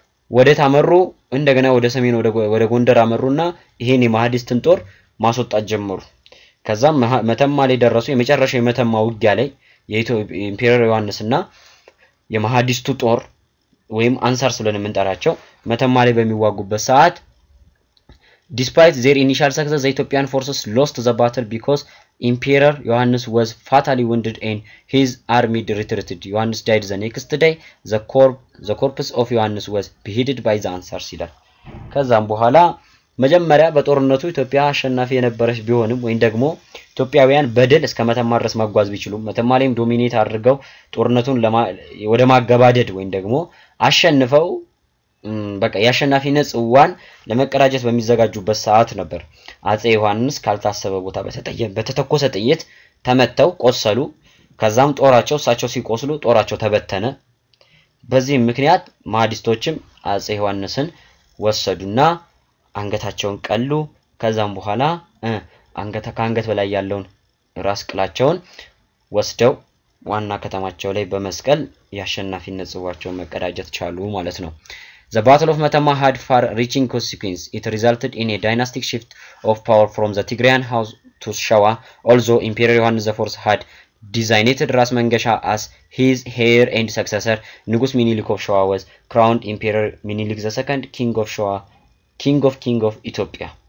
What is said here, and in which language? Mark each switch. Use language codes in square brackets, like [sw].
[am] ወደ ታመሩ እንደገና ወደ ሰሜን ወደ ጎንደር አመሩና ይሄን የማህዲስትን ጦር ማስወጣት ጀመሩ። ከዛም መተማ ላይ ደረሱ። የመጨረሻው የመተማ ውጊያ ላይ የኢትዮጵያ ኢምፔሪየር ዮሐንስና የማህዲስቱ ጦር ወይም አንሳርስ ብለን እንጠራቸው መተማ ላይ በሚዋጉበት ሰዓት [en] despite their initial success the Ethiopian forces lost the battle because Emperor Yohannes was fatally wounded and his army retreated. Yohannes died the next day. The corpse of Yohannes was beheaded by the Ansars. [am] ከዛም በኋላ መጀመሪያ በጦርነቱ ኢትዮጵያ አሸናፊ የነበረች ቢሆንም ወይ ደግሞ ኢትዮጵያውያን በደል እስከ መተማ ድረስ ማጓዝ ቢችሉም መተማ ላይም ዶሚኔት አድርገው ጦርነቱን ወደ ማገባደድ ወይ ደግሞ አሸንፈው በቃ ያሸናፊነት ጽዋን ለመቀራጀት በሚዘጋጁበት ሰዓት ነበር አጼ ዮሐንስ ካልታሰበ ቦታ በተተኮሰ ጥይት ተመተው ቆሰሉ። ከዛም ጦራቸው ሳቸው ሲቆስሉ ጦራቸው ተበተነ። በዚህ ምክንያት ማዲስቶችም አጼ ዮሐንስን ወሰዱና አንገታቸውን ቀሉ። ከዛም በኋላ አንገተ ካንገት በላይ ያለውን ራስ ቅላቸውን ወስደው ዋና ከተማቸው ላይ በመስቀል ያሸናፊነት ጽዋቸውን መቀዳጀት ቻሉ ማለት ነው። [en] The Battle of Metemma had far reaching consequences. It resulted in a dynastic shift of power from the Tigrayan house to Shawa. Although Emperor Yohannes IV had designated Ras Mangasha as his heir and successor, Nugus Minilik of Shawa was crowned Emperor Minilik II, King of Shawa, King of Ethiopia.